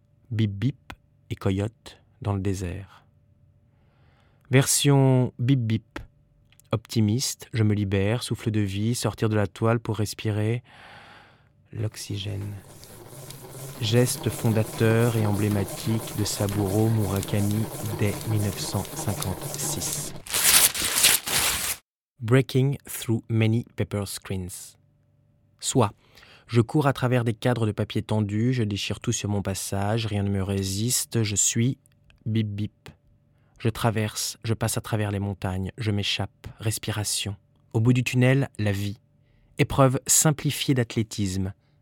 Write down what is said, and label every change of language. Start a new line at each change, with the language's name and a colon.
French: Bip bip et coyote dans le désert. Version bip bip. Optimiste, je me libère, souffle de vie, sortir de la toile pour respirer l'oxygène. Geste fondateur et emblématique de Saburo Murakami dès 1956.
English: Breaking through many paper screens.
French: Soit, je cours à travers des cadres de papier tendu, je déchire tout sur mon passage, rien ne me résiste, je suis bip bip. Je traverse, je passe à travers les montagnes, je m'échappe, respiration. Au bout du tunnel, la vie. Épreuve simplifiée d'athlétisme.